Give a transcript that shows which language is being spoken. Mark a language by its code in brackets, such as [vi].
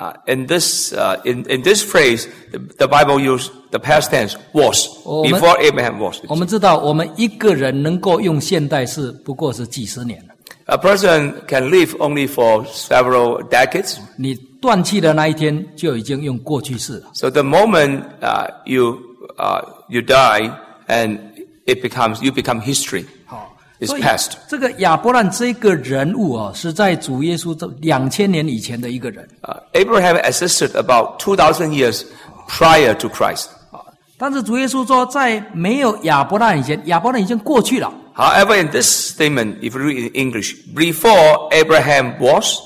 [en] In this phrase, the Bible used the past tense, was. Before Abraham was. [zh] 我们知道我们一个人能够用现代式不过是几十年。 [en] A person can live only for several decades. [zh] 你断气的那一天就已经用过去式了。 [en] So the moment you die and you become history. It's past. [zh] 这个亚伯兰这个人物是在主耶稣2000年以前的一个人。 [en] Abraham existed about 2000 years prior to Christ. [zh] 但是主耶稣说在没有亚伯兰以前亚伯兰已经过去了。 [en] However, in this statement, if you read in English, before Abraham was,